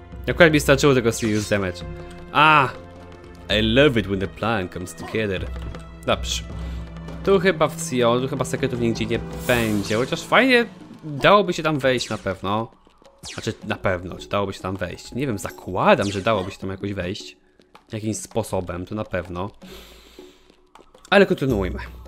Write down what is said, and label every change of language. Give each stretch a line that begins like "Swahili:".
Polish: Akurat mi starczyło tego Serious Damage.
English: Ah, I love it when the plan comes together.
Polish: Dobrze. Tu chyba w CEO, tu chyba sekretów nigdzie nie będzie, chociaż fajnie dałoby się tam wejść na pewno. Znaczy na pewno, czy dałoby się tam wejść. Nie wiem, zakładam, że dałoby się tam jakoś wejść. Jakimś sposobem, to na pewno. Ale kontynuujmy.